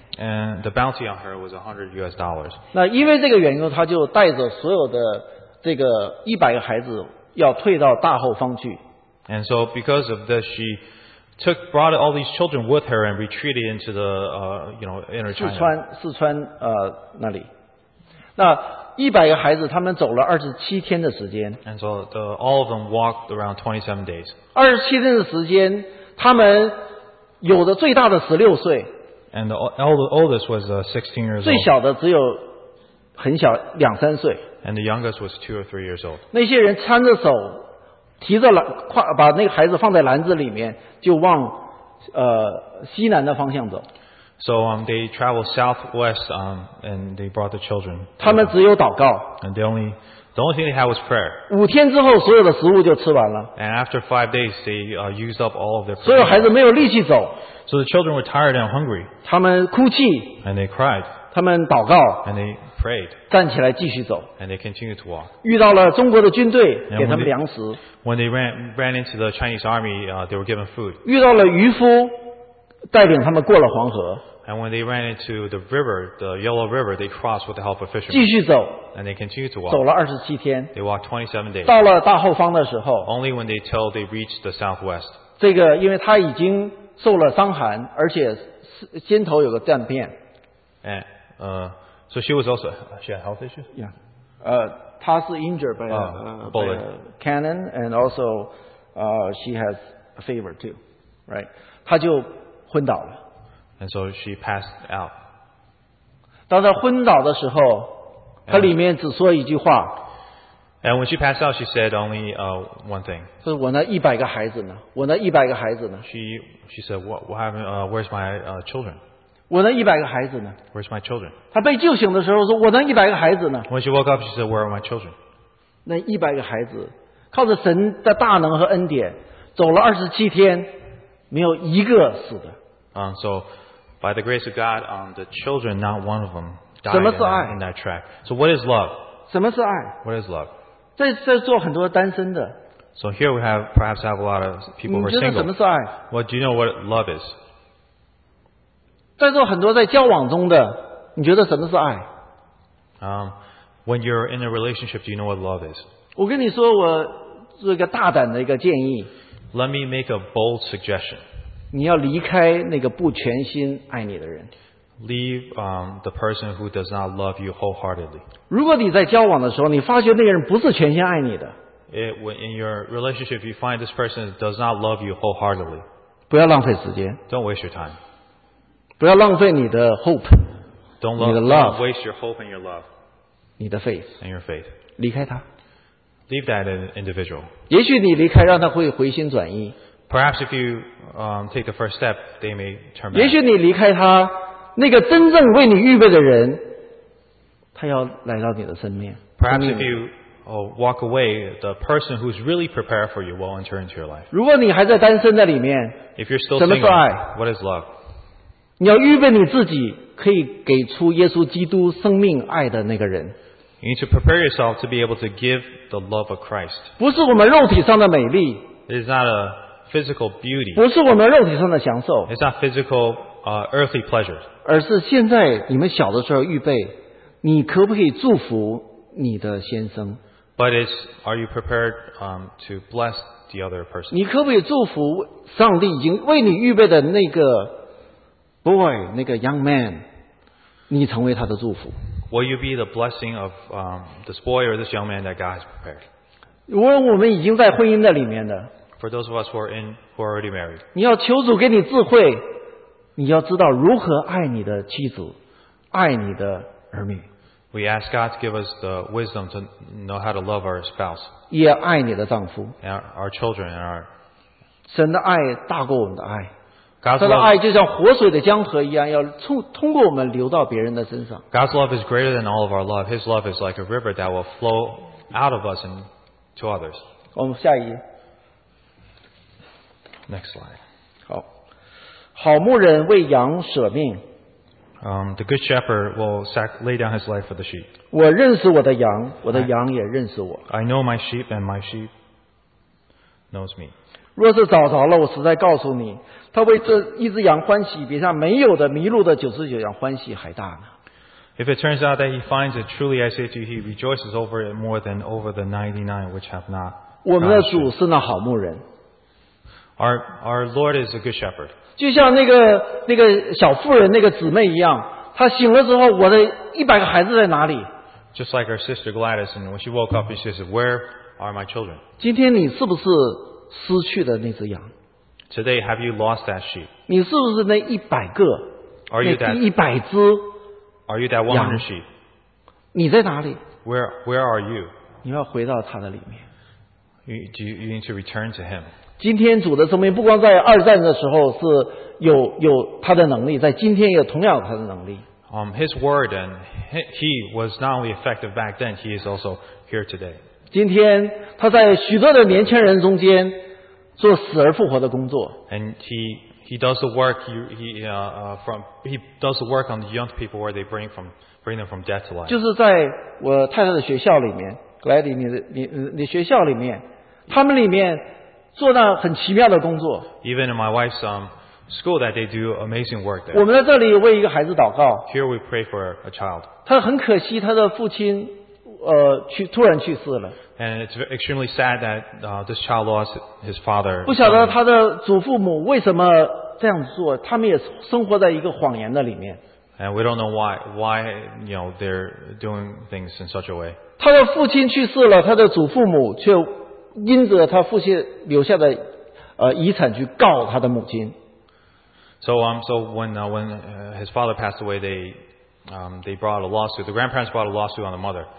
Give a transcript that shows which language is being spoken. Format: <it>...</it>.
<en>And the bounty on her was $100.</en> <zh>那因为这个原因，他就带着所有的这个一百个孩子要退到大后方去。</zh> <en>And so because of this, she brought all these children with her and retreated into the, inner China.</en> <zh>四川那里。那一百个孩子，他们走了27天的时间。</zh> <en>And so all of them walked around 27 days.</en> <zh>27天的时间，他们有的最大的16岁。</zh> <en>And the oldest was 16 years old.</en> <zh>最小的只有很小两三岁。</zh> <en>And the youngest was 2 or 3 years old.</en> <zh>那些人搀着手。提着把那个孩子放在篮子里面，就往西南的方向走。</zh> <en>So they traveled southwest, and they brought the children.</en> <zh>他们只有祷告。</zh> <en>And the only thing they had was prayer.</en> <zh>5天之后，所有的食物就吃完了。</zh> <en>And after 5 days, they used up all of their.</en> <zh>所有孩子没有力气走。</zh> <en>So the children were tired and hungry.</en> <zh>他们哭泣。</zh> <en>And they cried.</en> <zh>他们祷告。</zh> <en>And they prayed.</en> <zh>站起来继续走。</zh> <en>And they continued to walk.</en> <zh>遇到了中国的军队，给他们粮食。</zh> <en>When they ran into the Chinese army, they were given food.</en> <zh>遇到了渔夫，带领他们过了黄河。</zh> <en>And when they ran into the river, the Yellow River, they crossed with the help of fishermen.</en> <zh>继续走。</zh> <en>And they continued to walk.</en> <zh>走了27天。</zh> <en>They walked 27 days.</en> <zh>到了大后方的时候。</zh> <en>Only when they till they reached the southwest.</en> <zh>这个因为他已经受了伤寒，而且肩头有个断片。</zh> <en>And so she was also she had health issues. Yeah.</en> <zh>她是</zh> <en>injured by a cannon, and also she has a fever too, right?</en> <zh>她就昏倒了。</zh> <en>And so she passed out.</en> <zh>当她昏倒的时候，她里面只说一句话。</zh> <en>And when she passed out, she said only one thing.</en> <zh>是我那一百个孩子呢？我那一百个孩子呢</zh> <en>？She said, "What happened? Where's my children?"</en> <zh>我那一百个孩子呢</zh> <en>？Where's my children?</en> <zh>她被救醒的时候说：“我那一百个孩子呢</zh> <en>？”When she woke up, she said, "Where are my children?"</en> <zh>那一百个孩子靠着神的大能和恩典，走了27天，没有一个死的。</zh> <en>So by the grace of God, the children, not one of them died.</en> <zh>什么是爱</zh> <en>？In that track. So what is love?</en> <zh>什么是爱</zh> <en>？What is love?</en> <zh>在做很多单身的。</zh> <en>So here we have perhaps have a lot of people who are single.</en> <zh>你觉得什么是爱</zh> <en>？What do you know what love is?</en> <zh>在做很多在交往中的，你觉得什么是爱</zh> <en>？When you're in a relationship, do you know what love is?</en> <zh>我跟你说，我做一个大胆的一个建议。</zh> <en>Let me make a bold suggestion.</en> <zh>你要离开那个不全心爱你的人。</zh> <en>Leave the person who does not love you wholeheartedly.</en> <zh>如果你在交往的时候，你发觉那个人不是全心爱你的</zh> <en>，in your relationship, you find this person does not love you wholeheartedly.</en> <zh>不要浪费时间。</zh> <en>Don't waste your time.</en> <zh>不要浪费你的 hope.</zh> <en>Don't love. Don't waste your hope and your love.</en> <zh>你的 faith.</zh> <en>And your faith.</en> <zh>离开他。</zh> <en>Leave that individual.</en> <zh>也许你离开，让他会回心转意。</zh> <en>Perhaps if you take the first step, they may turn back.</en> <zh>也许你离开他。那个真正为你预备的人，他要来到你的身边。</zh> <en>Perhaps if you walk away, the person who's really prepared for you will enter into your life.</en> <zh>如果你还在单身在里面</zh> <en>，If you're still</en> <zh>single, 什么是爱</zh> <en>？What is love?</en> <zh>你要预备你自己，可以给出耶稣基督生命爱的那个人。</zh> <en>You need to prepare yourself to be able to give the love of Christ.</en> <zh>不是我们肉体上的美丽</zh> <en>，It is not a physical beauty.</en> <zh>不是我们肉体上的享受</zh> <en>，It's not physical. Earthly pleasures.</en> <zh>而是现在你们小的时候预备，你可不可以祝福你的先生？</zh> <en>But it's, are you prepared to bless the other person?</en> <zh>你可不可以祝福上帝已经为你预备的那个 boy, 那个 young man, 你成为他的祝福？</zh> <en>Will you be the blessing of this boy or this young man that God has prepared?</en> <zh>如果我们已经在婚姻的里面的</zh> <en>For those of us who are, in, who are already married,</en> <zh>你要求主给你智慧，你要知道如何爱你的妻子，爱你的儿女。</zh> <en>We ask God to give us the wisdom to know how to love our spouse.</en> <zh>也爱你的丈夫。</zh> <en>Our children and our.</en> <zh>神的爱大过我们的爱。</zh> <en>God's</en> <zh>love. 神的爱就像活水的江河一样，要通过我们流到别人的身上。</zh> <en>God's love is greater than all of our love. His love is like a river that will flow out of us and to others.</en> <zh>我们下一页。</zh> <en>Next slide.</en> <zh>好。好牧人为羊舍命。</zh> <en>The good shepherd will lay down his life for the sheep.</en> <zh>我认识我的羊，我的羊也认识我。</zh> <en>I know my sheep, and my sheep knows me.</en> <zh>若是找着了，我实在告诉你，他为这一只羊欢喜，比上没有的迷路的九十九羊欢喜还大呢。</zh> <en>If it turns out that he finds it, truly I say to you, he rejoices over it more than over the 99 which have not.</en> <zh>我们的主是那好牧人。</zh> <en>Our Lord is a good shepherd.</en> <zh>就像那个小妇人那个姊妹一样，她醒了之后，我的一百个孩子在哪里</zh> <en>？Just like her sister Gladys, and when she woke up, she says, "Where are my children?"</en> <zh>今天你是不是失去的那只羊</zh> <en>？Today, have you lost that sheep?</en> <zh>你是不是那一百个？</zh> <en>Are you that</en> <zh>一百只</zh> <en>？Are you that 100 sheep?</en> <zh>你在哪里</zh> <en>？Where are you?</en> <zh>你要回到他的里面。</zh> <en>You need to return to him.</en> <zh>今天主的生命不光在二战的时候是有他的能力，在今天也同样有他的能力。</zh> <en>His word and he was not only effective back then, he is also here today.</en> <zh>今天他在许多的年轻人中间做死而复活的工作。</zh> <en>And he does the work he does the work on the young people where they bring them from death to life.</en> <zh>就是在我太太的学校里面。Gladys, 你学校里面，他们里面做那很奇妙的工作。</zh> <en>Even in my wife's school, that they do amazing work there.</en> <zh>我们在这里为一个孩子祷告。</zh> <en>Here we pray for a child.</en> <zh>他很可惜，他的父亲突然去世了。</zh> <en>And it's extremely sad that this child lost his father.</en> <zh>不晓得他的祖父母为什么这样做，他们也生活在一个谎言的里面。</zh> <en>And we don't know why you know they're doing things in such a way.</en> <zh>他的父亲去世了，他的祖父母却因着他父亲留下的遗产去告他的母亲。</zh> <en>So when his father passed away, they brought a lawsuit. The grandparents brought a lawsuit on the mother.</en>